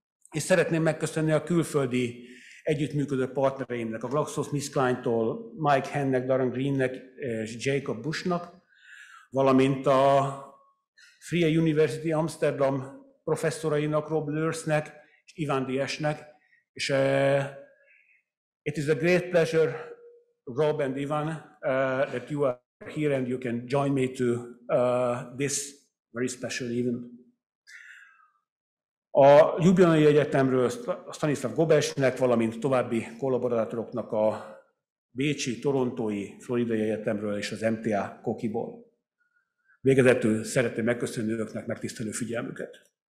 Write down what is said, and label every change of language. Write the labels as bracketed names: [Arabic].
[Hungarian] És szeretném megköszönni a külföldi együttműködő partnereimnek, a GlaxoSmithKline-tól, Mike Hennek, Darren Greennek és Jacob Bushnak, valamint a Free University Amsterdam professzorainak, Rob Lursnek és Ivan Diesnek. [English] És it is a great pleasure, Rob and Ivan, that you are here and you can join me to this very special event. [Hungarian] A Ljubljanai Egyetemről Stanislav Gobesnek, valamint további kollaborátoroknak a bécsi, torontói, floridai egyetemről és az MTA Kokiból. Végezetül szeretném megköszönni önöknek megtisztelő figyelmüket.